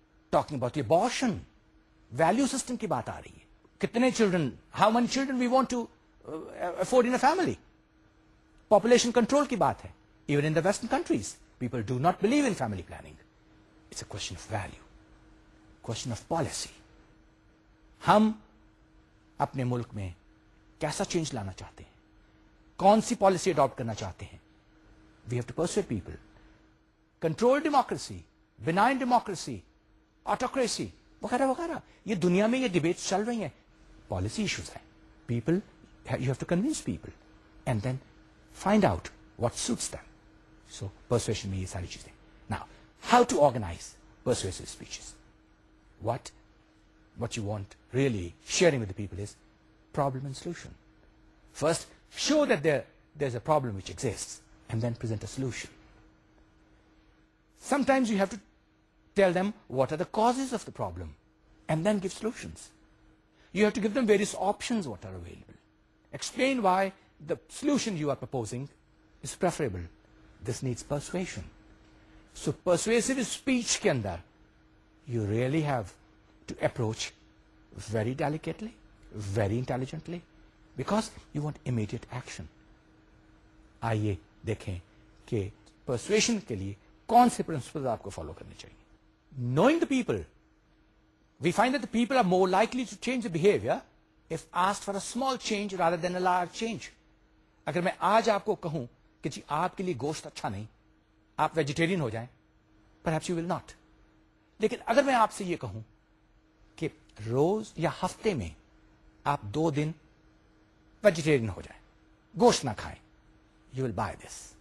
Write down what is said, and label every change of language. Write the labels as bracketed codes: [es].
[en] Talking about the abortion. [ur] Value system ki baat aayegi. Kitne children, [en] how many children we want to afford in a family. [ur] Population control ki baat hai. [en] Even in the Western countries, people do not believe in family planning. It's a question of value. Question of policy. [ur] Hum apne mulk mein کیسا change لانا چاہتے ہیں کون سی policy adopt کرنا چاہتے ہیں [en] we have to persuade people control democracy benign democracy autocracy [ur] وغیرہ وغیرہ یہ دنیا میں یہ ڈیبیٹس چل رہی ہیں [en] policy issues ہیں people you have to convince people and then find out what suits them so persuasion [ur] میں یہ ساری چیزیں [en] Now how to organize persuasive speeches what you want really sharing with the people is problem and solution. First, show that there's a problem which exists and then present a solution. Sometimes you have to tell them what are the causes of the problem and then give solutions. You have to give them various options what are available. Explain why the solution you are proposing is preferable. This needs persuasion. So persuasive speech [ur] ke andar, [en] you really have to approach very delicately. Very intelligently, because you want immediate action. [ur] آئیے دیکھیں کہ persuasion کے لیے کون سے principles آپ کو follow کرنے چاہیے. [en] Knowing the people, we find that the people are more likely to change the behavior if asked for a small change rather than a large change. [ur] اگر میں آج آپ کو کہوں کہ جی آپ کے لیے گوشت اچھا نہیں, آپ vegetarian ہو جائیں, [en] perhaps you will not. [ur] لیکن اگر میں آپ سے یہ کہوں کہ روز یا ہفتے میں آپ دو دن ویجیٹیرین ہو جائیں, گوشت نہ کھائیں, [en] You will buy this.